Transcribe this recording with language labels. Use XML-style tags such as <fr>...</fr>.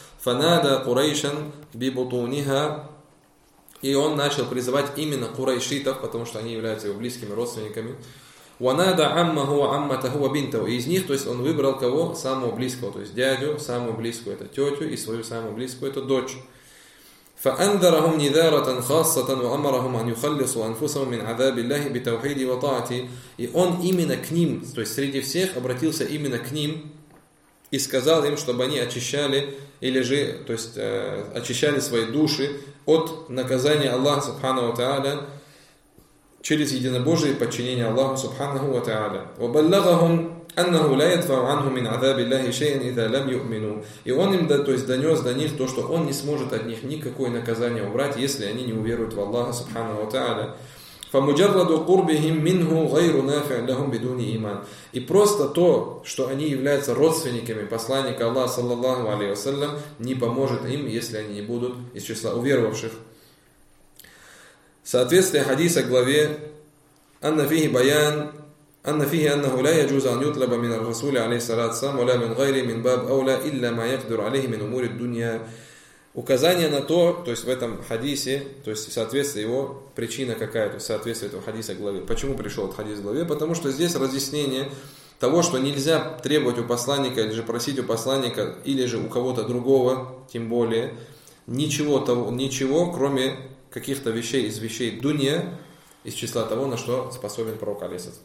<ar>«Фанада Курейшан бибутуниха».</ar> <ru>И он начал призывать именно курайшитов, потому что они являются его близкими родственниками.</ru> <ar>«Ванада аммаху амматаху абинтаху».</ar> <ru>И из них, то есть он выбрал кого? Самого близкого, то есть дядю, самую близкую это тетю, и свою самую близкую это дочь.</ru> <ar>فأنذرهم نذارة خاصة وأمرهم أن يخلصوا أنفسهم من عذاب الله بتوحيد وطاعته.</ar> <ru>И он именно к ним, то есть среди всех, обратился именно к ним и сказал им, чтобы они очищали или же, то есть очищали свои души от наказания Аллаха Субханаху ва Тааля через единобожие подчинение Аллаху Субханаху ва Тааля.</ru> <ar>وبلغهم أنه لا يدفع عنه من عذاب الله شيئا إذا لم يؤمنوا.</ar> <ru>И он им, то есть, донес до них то, что он не сможет от них никакое наказание убрать, если они не уверуют в Аллаха Субханаху ва Тааля.</ru> <ar>فمجرد قربهم منه غير نافع لهم بدون إيمان.</ar> <ru>И просто то, что они являются родственниками посланника Аллаха саллаллаху алейхи ва саллям, не поможет им, если они не будут из числа уверовавших. Соответствие хадиса главе</ru> <ar>أن فيه بيان أن فيه أنه لا يجوز أن يطلب من الرسول عليه الصلاة والسلام ولا من غيره من باب أولى إلا ما يقدر عليه من أمور الدنيا.</ar> <ru>Указание на то, то есть в этом хадисе, то есть соответствие его, причина какая, то есть соответствие этого хадиса главе. Почему пришел этот хадис главе? Потому что здесь разъяснение того, что нельзя требовать у посланника, или же просить у посланника, или же у кого-то другого, тем более, ничего, того, ничего кроме каких-то вещей из вещей дунья, из числа того, на что способен пророк алейхиссалям.</ru>